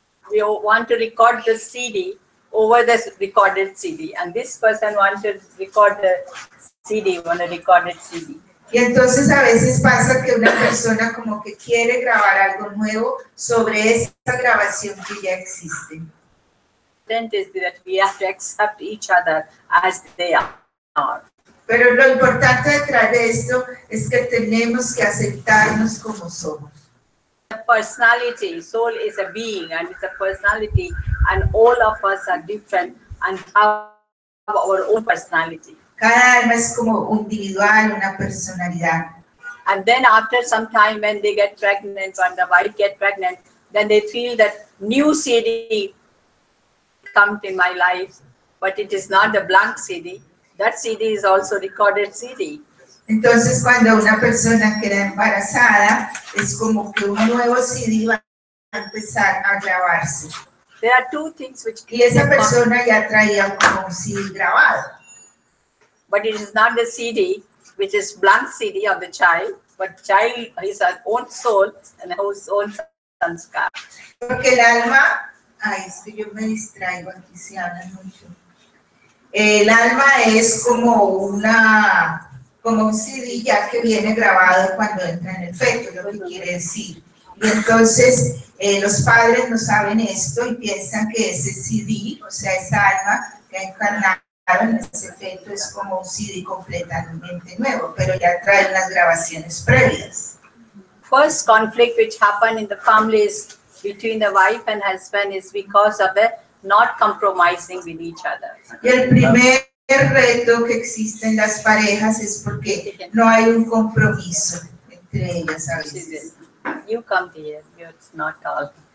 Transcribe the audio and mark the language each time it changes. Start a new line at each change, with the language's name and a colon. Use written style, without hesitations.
English: We want to record the CD over the recorded CD, and this person wants to record the CD on a recorded CD.
Spanish: Y entonces a veces pasa que una persona como que quiere grabar algo nuevo sobre esa grabación que ya existe.
English: Then is that we have to accept each other as they are.
Spanish: Pero lo importante detrás de esto es que tenemos que aceptarnos como somos.
English: The personality, soul is a being and it's a personality and all of us are different and have our own personality.
Spanish: Cada alma es como un individual, una personalidad.
English: And then after some time when they get pregnant, when the wife gets pregnant, then they feel that new CD comes in my life, but it is not the blank CD. That CD is also recorded CD.
Spanish: Entonces, cuando una persona queda embarazada, es como que un nuevo CD va a empezar a grabarse.
English: There are two things which...
Spanish: Y esa persona ya traía como un CD grabado.
English: But it is not the CD, which is blank CD of the child, but child is her own soul and her own sanskar.
Spanish: Porque el alma Ay, es que yo me distraigo, aquí se habla mucho. El alma es como una, como un CD ya que viene grabado cuando entra en el feto, lo que quiere decir. Y entonces los padres no saben esto y piensan que ese CD, o sea, esa alma que ha encarnado en ese feto es como un CD completamente nuevo, pero ya trae unas grabaciones previas.
English: First conflict which happened in the family is between the wife and husband is because of the not compromising with each other.
Spanish: Y el primer reto que existe en las parejas es porque no hay un compromiso entre ellas a veces.
English: You come here, you're not all.